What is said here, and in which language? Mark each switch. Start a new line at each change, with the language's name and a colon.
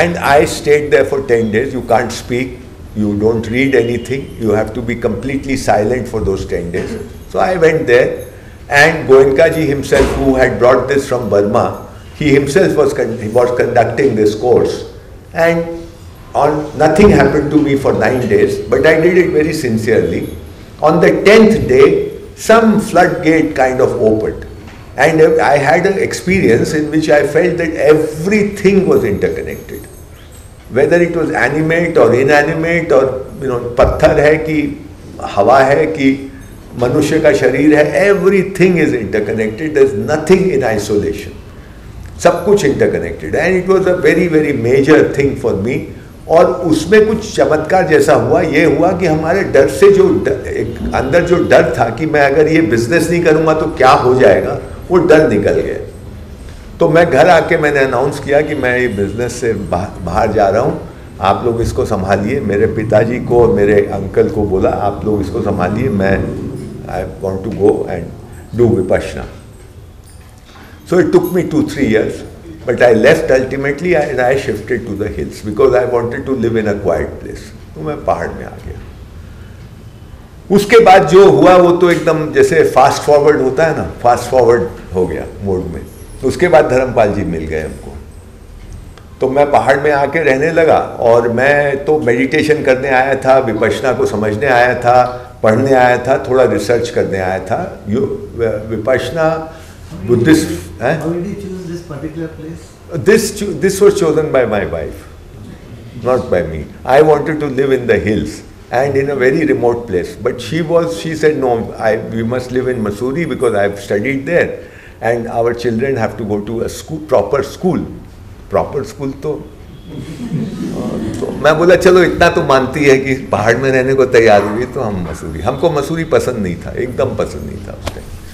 English: And I stayed there for 10 days. You can't speak, you don't read anything, you have to be completely silent for those 10 days. So I went there and Goenka ji himself, who had brought this from Burma, himself was conducting this course, and on nothing happened to me for 9 days, but I did it very sincerely. On the 10th day some floodgate kind of opened and I had an experience in which I felt that everything was interconnected, whether it was animate or inanimate, or you know,
Hindi: patthar hai ki hawa hai ki manushya ka sharir hai,
English: everything is interconnected, there's nothing in isolation, sab kuch interconnected, and it was a very very major thing for me.
Hindi: और उसमें कुछ चमत्कार जैसा हुआ, ये हुआ कि हमारे डर से जो एक अंदर जो डर था कि मैं अगर ये बिजनेस नहीं करूँगा तो क्या हो जाएगा, वो डर निकल गया। तो मैं घर आके मैंने अनाउंस किया कि मैं ये बिजनेस से बाहर जा रहा हूँ, आप लोग इसको संभालिए। मेरे पिताजी को और मेरे अंकल को बोला आप लोग इसको संभालिए, मैं
English: I want to go and do Vipassana. So it took me 2-3 years, but I left ultimately and I shifted to the hills because I wanted to live in a quiet place.
Hindi: तो मैं पहाड़ में आ गया। उसके बाद जो हुआ वो तो एकदम जैसे फास्ट फॉरवर्ड होता है ना, फास्ट फॉरवर्ड हो गया मोड में। उसके बाद धर्मपाल जी मिल गए हमको, तो मैं पहाड़ में आके रहने लगा। और मैं तो मेडिटेशन करने आया था, विपश्यना को समझने आया था, पढ़ने आया था, थोड़ा रिसर्च करने आया था। विपश्यना बुद्धिस्ट है,
English: this was chosen by my wife, not by me. I wanted to live in the hills and in a very remote place, but she said no, we must live in Mussoorie because I've studied there and our children have to go to a school, proper school, proper school.
Hindi: तो मैं बोला चलो, इतना तो मानती है कि पहाड़ में रहने को तैयार हुई, तो हम मसूरी, हमको मसूरी पसंद नहीं था, एकदम पसंद नहीं था उस टाइम।